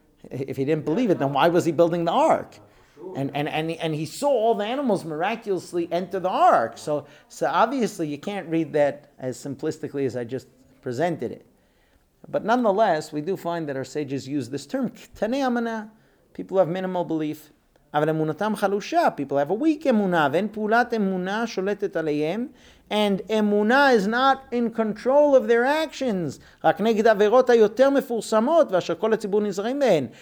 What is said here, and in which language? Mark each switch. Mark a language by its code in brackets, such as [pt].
[en] If he didn't believe it, then why was he building the ark? And he saw all the animals miraculously enter the ark. So obviously you can't read that as simplistically as I just presented it. But nonetheless, we do find that our sages use this term, k'tanei amana. People have minimal belief. [he] אבל אמונתם חלושה. [en] People have a weak [he] אמונה, ואין פעולת אמונה שולטת עליהם. [en] And אמונה is not in control of their actions. [he] רק נגד עבירות היותר מפורסמות, ואשר כל הציבור נזרים בהן.